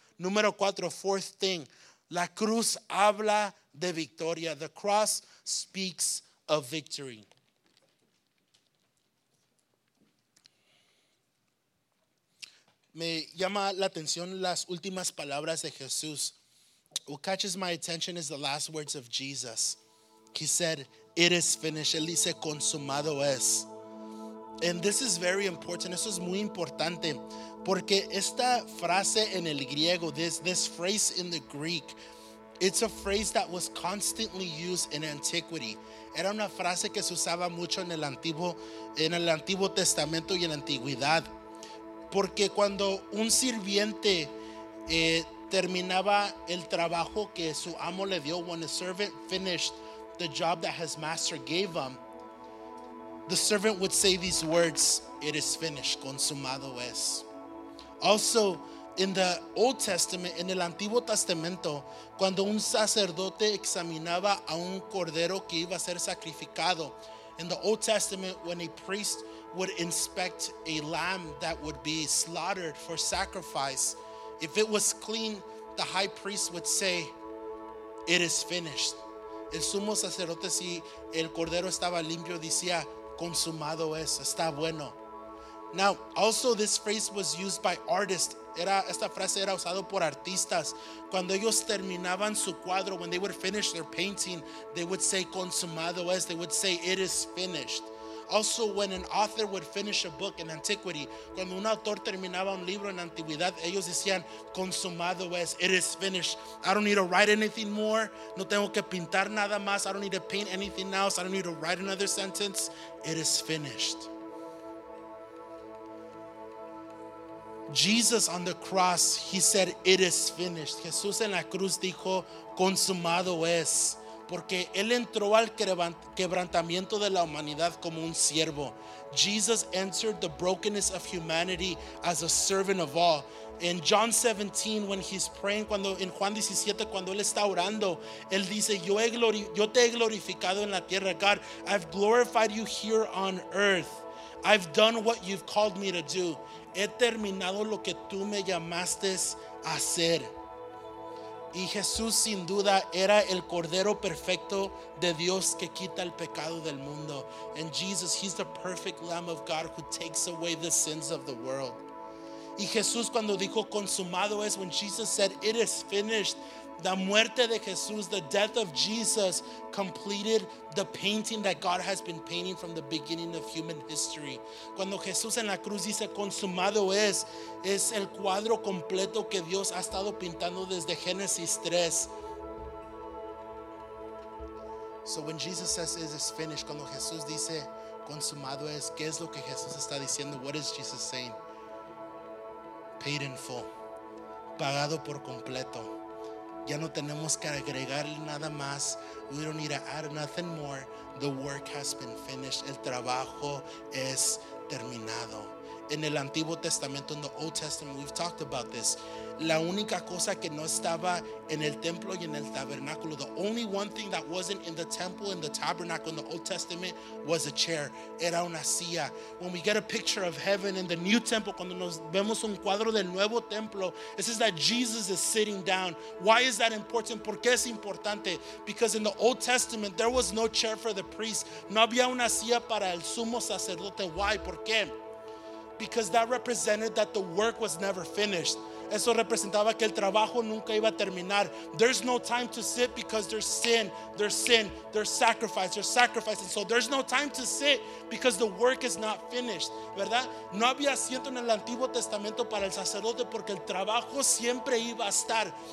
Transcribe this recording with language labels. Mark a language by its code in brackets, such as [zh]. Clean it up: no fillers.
[es] Número 4, [en] fourth thing. [es] La cruz habla de victoria. [en] The cross speaks of victory. [es] Me llama la atención las últimas palabras de Jesús. [en] What catches my attention is the last words of Jesus. He said, it is finished. [es] Él dice, consumado es. [en] And this is very important. [es] Eso es muy importante. Porque esta frase en el griego, [en] this phrase in the Greek, it's a phrase that was constantly used in antiquity. [es] Era una frase que se usaba mucho en el Antiguo Testamento y en la Antigüedad. Porque cuando un sirviente terminaba el trabajo que su amo le dio, [en] when a servant finished the job that his master gave him, the servant would say these words, it is finished, [es] consumado es. [en] Also, in the Old Testament, [es] en el Antiguo Testamento, cuando un sacerdote examinaba a un cordero que iba a ser sacrificado, [en] in the Old Testament, when a priest would inspect a lamb that would be slaughtered for sacrifice, if it was clean, the high priest would say, it is finished. [es] El sumo sacerdote, si el cordero estaba limpio, decía, consumado es, está bueno. [en] Now, also this phrase was used by artists. [es] Esta frase era usado por artistas. Cuando ellos terminaban su cuadro, [en] when they would finish their painting, they would say, [es] consumado es. [en] They would say, it is finished. Also, when an author would finish a book in antiquity, [es] cuando un autor terminaba un libro en antigüedad, ellos decían, consumado es, [en] it is finished. I don't need to write anything more. [es] No tengo que pintar nada más. [en] I don't need to paint anything else. I don't need to write another sentence. It is finished. Jesus on the cross, he said, it is finished. [es] Jesús en la cruz dijo, consumado es. Porque él entró al quebrantamiento de la humanidad como un siervo. [en] Jesus entered the brokenness of humanity as a servant of all. In John 17, when he's praying, [es] en Juan 17, cuando él está orando, él dice, yo te he glorificado en la tierra. [en] God, I've glorified you here on earth. I've done what you've called me to do. [es] He terminado lo que tú me llamaste a hacer. Y Jesús sin duda era el cordero perfecto de Dios que quita el pecado del mundo. [en] And Jesus, he's the perfect lamb of God who takes away the sins of the world. [es] Y Jesús cuando dijo consumado es, [en] when Jesus said it is finished, [es] la muerte de Jesús, [en] the death of Jesus, completed the painting that God has been painting from the beginning of human history. [es] Cuando Jesús en la cruz dice consumado es el cuadro completo que Dios ha estado pintando desde Génesis 3. [en] So when Jesus says it is finished, [es] cuando Jesús dice consumado es, ¿qué es lo que Jesús está diciendo? [en] What is Jesus saying? Paid in full. [es] Pagado por completo. Ya no tenemos que agregar nada más. [en] We don't need to add nothing more. The work has been finished. [es] El trabajo es terminado. En el Antiguo Testamento, [en] in the Old Testament, we've talked about this. [es] La única cosa que no estaba en el templo y en el tabernáculo, [en] the only one thing that wasn't in the temple and the tabernacle in the Old Testament was a chair. [es] Era una silla. [en] When we get a picture of heaven in the new temple, [es] cuando nos vemos un cuadro del nuevo templo, [en] it says that Jesus is sitting down. Why is that important? [es] ¿Por qué es importante? [en] Because in the Old Testament, there was no chair for the priest. [es] No había una silla para el sumo sacerdote. [en] Why? ¿Por qué? Because that represented that the work was never finished. [es] Eso representaba que el trabajo nunca iba a terminar. [en] There's no time to sit because there's sin, there's sacrifice. And so there's no time to sit because the work is not finished, ¿verdad? [es] No había asiento en el Antiguo Testamento para el sacerdote porque el trabajo siempre iba a estar.